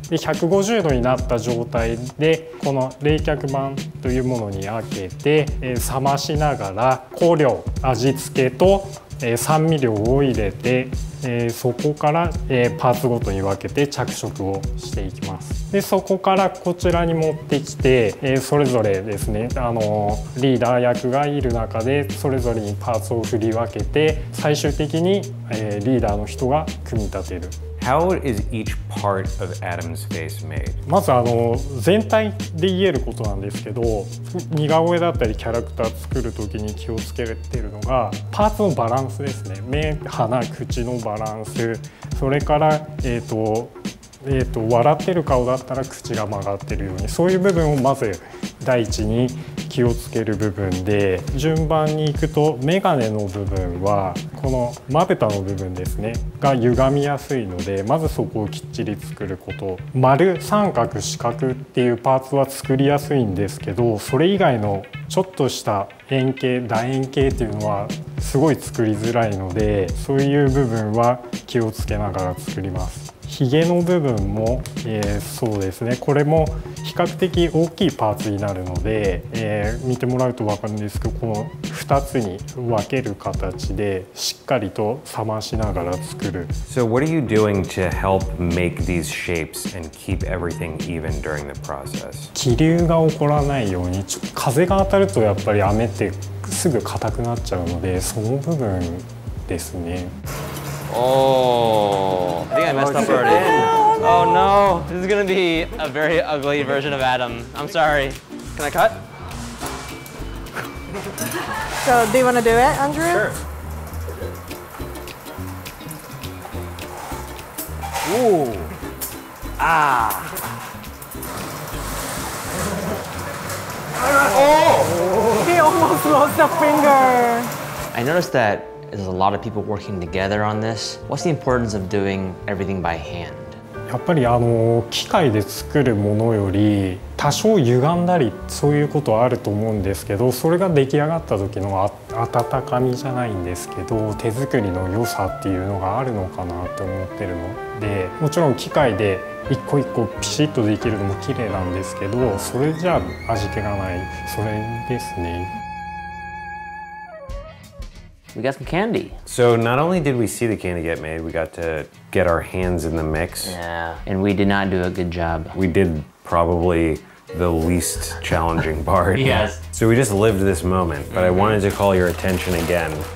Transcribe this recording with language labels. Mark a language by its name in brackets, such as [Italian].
[Japanese] で150度になった状態でこの冷却板というものに開けて、冷ましながら香料、味付けと、酸味料を入れて、そこから、パーツごとに分けて着色をしていきます。でそこからこちらに持ってきて、それぞれですね、リーダー役がいる中でそれぞれにパーツを振り分けて最終的に、リーダーの人が組み立てる。 [English] How is each part of Adam's face made? [Japanese] まず全体で言えることなんですけど、似顔絵だったりキャラクター作るときに気をつけてるのがパーツのバランスですね。目、鼻、口のバランス、それから笑ってる顔だったら口が曲がってるように、そういう部分をまず第一に気をつける部分で、順番にいくと眼鏡の部分はこのまぶたの部分ですねが歪みやすいので、まずそこをきっちり作ること。丸、三角、四角っていうパーツは作りやすいんですけど、それ以外のちょっとした円形、楕円形っていうのはすごい作りづらいので、そういう部分は気をつけながら作ります。ヒゲの部分も、そうですね、これも比較的大きいパーツになるので、見てもらうと分かるんですけど、この2つに分ける形でしっかりと冷ましながら作る。 [English] So what are you doing to help make these shapes and keep everything even during the process? [Japanese] 気流が起こらないように、ちょ風が当たるとやっぱり雨ってすぐ硬くなっちゃうので、その部分ですね。 [English] Oh, I think I messed up already. Oh no, this is gonna be a very ugly version of Adam. I'm sorry. Can I cut? So, do you want to do it, Andrew? Sure. Ooh. Ah. Oh! He almost lost a finger. I noticed that. There's a lot of people working together on this. What's the importance of doing everything by hand? [Japanese] やっぱり機械で作るものより多少歪んだりそういうことはあると思うんですけど、それが出来上がった時の温かみじゃないんですけど、手作りの良さっていうのがあるのかなと思ってるので、もちろん機械で一個一個ピシッとできるのも綺麗なんですけど、それじゃ味気がない、それですね。 [English] We got some candy. So not only did we see the candy get made, we got to get our hands in the mix. Yeah, and we did not do a good job. We did probably the least challenging part. Yes. So we just lived this moment, but I wanted to call your attention again.